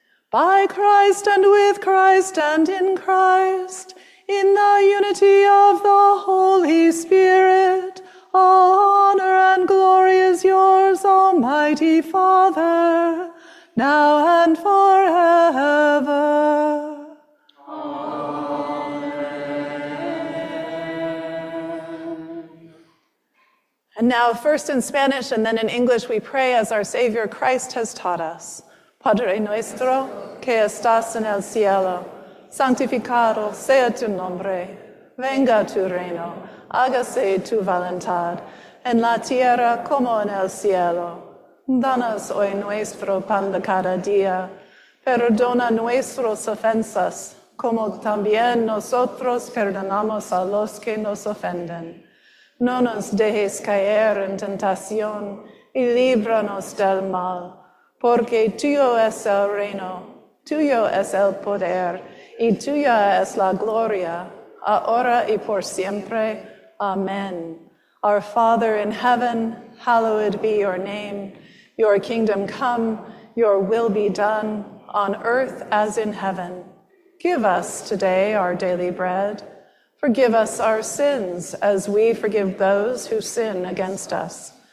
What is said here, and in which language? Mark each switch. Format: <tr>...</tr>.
<en>By Christ and with Christ and in Christ, in the unity of the Holy Spirit, all honor and glory is yours, Almighty Father, now and forever. Amen. And now, first in Spanish and then in English, we pray as our Savior Christ has taught us.</en> <es>Padre nuestro, que estás en el cielo, santificado sea tu nombre, venga tu reino, hágase tu voluntad, en la tierra como en el cielo. Danos hoy nuestro pan de cada día, perdona nuestras ofensas, como también nosotros perdonamos a los que nos ofenden. No nos dejes caer en tentación, y líbranos del mal, porque tuyo es el reino, tuyo es el poder, y tuya es la gloria, ahora y por siempre. Amen.</es> <en>Our Father in heaven, hallowed be your name. Your kingdom come, your will be done, on earth as in heaven. Give us today our daily bread. Forgive us our sins, as we forgive those who sin against us.</en>